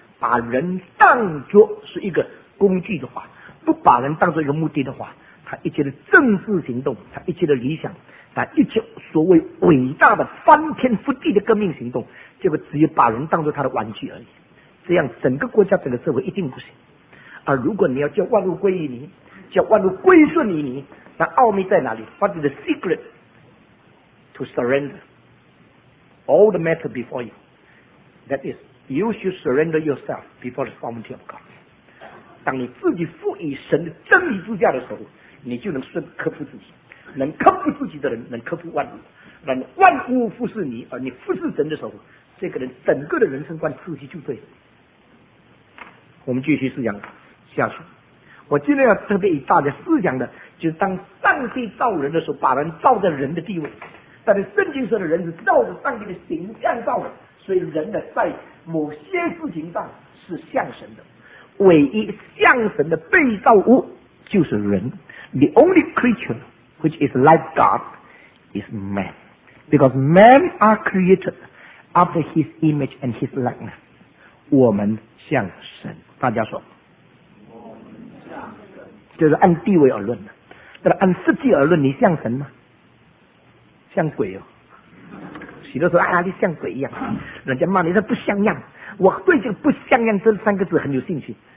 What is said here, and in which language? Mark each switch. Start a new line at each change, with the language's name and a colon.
Chinese: 把人当作是一个工具的话，不把人当作一个目的的话，他一切的政治行动，他一切的理想，他一切所谓伟大的翻天覆地的革命行动，结果只有把人当作他的玩具而已。这样整个国家整个社会一定不行。而如果你要叫万物归于你，叫万物归顺于你，那奥秘在哪里？
English: What is the secret to surrender all the matter before you? That is, you should surrender yourself before the sovereignty of God.
Chinese: 当你自己赋予神的真理之下的时候，你就能顺克服自己。能克服自己的人能克服万物，让万物服侍你，而你服侍神的时候，这个人整个的人生观自己就对了。我们继续思想下去。我今天要特别以大家思想的，就是当上帝造人的时候，把人造在人的地位。但是圣经说的人是照着上帝的形象造的，所以人呢，在某些事情上是像神的。唯一像神的被造物就是人。
English: The only creature which is like God is man, because men are created after His image and His likeness.
Chinese: 我们像神，大家说。就是按地位而论的，但是按实际而论，你像神吗？像鬼哦！许多说啊，你像鬼一样，人家骂你，他不像样。我对这个"不像样"这三个字很有兴趣。